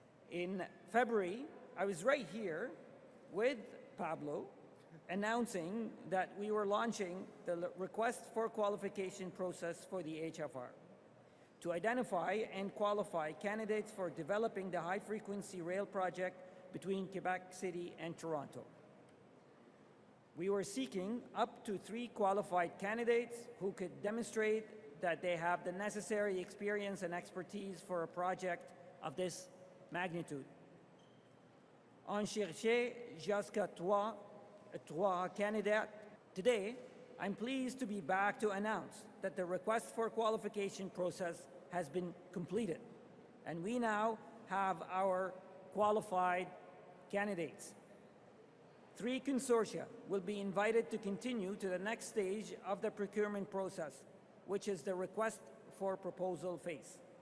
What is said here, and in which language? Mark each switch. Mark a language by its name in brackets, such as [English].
[English] In February, I was right here with Pablo announcing that we were launching the request for qualification process for the HFR to identify and qualify candidates for developing the high-frequency rail project between Quebec City and Toronto. We were seeking up to 3 qualified candidates who could demonstrate that they have the necessary experience and expertise for a project of this magnitude. [French] On cherchait jusqu'à 3 candidates. [English] Today, I'm pleased to be back to announce that the request for qualification process has been completed, and we now have our qualified candidates. 3 consortia will be invited to continue to the next stage of the procurement process, which is the request for proposal phase.